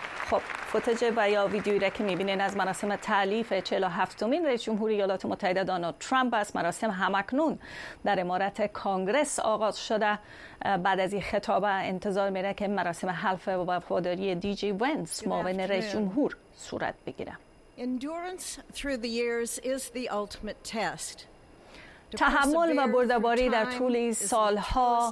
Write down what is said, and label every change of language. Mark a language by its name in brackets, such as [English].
[Persian] خب فوتج و یا ویدیویی را که می‌بینین از مراسم تألیف 47مین رئیس جمهوری ایالات متحده دونالد ترامپ است. مراسم همکنون در عمارت کانگرس آغاز شده. بعد از این خطاب انتظار می‌ره که مراسم حلف و وفاداری دی جی ونس معاون رئیس جمهور صورت بگیره. [English] Endurance through the years is the ultimate test. [Persian] تحمل و بردباری در طول این سال‌ها